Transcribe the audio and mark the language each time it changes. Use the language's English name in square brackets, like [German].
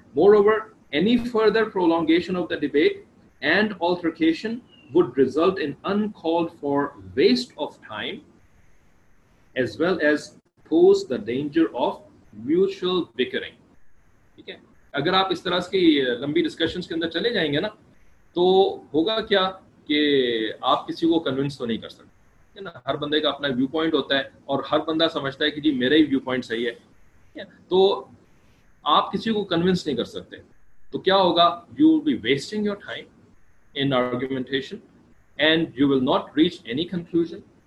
[English] Moreover, any further prolongation of the debate and altercation would result in uncalled for waste of time as well as pose the danger of mutual bickering, theek hai. [Urdu] Agar aap is tarah ki [English] lambi discussions [Urdu] ke andar chale jayenge na to hoga kya, کہ آپ کسی کو convince تو نہیں کر سکتے, ٹھیک ہے نا. ہر بندے کا اپنا ویو پوائنٹ ہوتا ہے اور ہر بندہ سمجھتا ہے کہ جی میرا ہی ویو پوائنٹ صحیح ہے, تو آپ کسی کو کنونس نہیں کر سکتے, to kya hoga, [English] you will be wasting your time in argumentation and you will not reach any conclusion.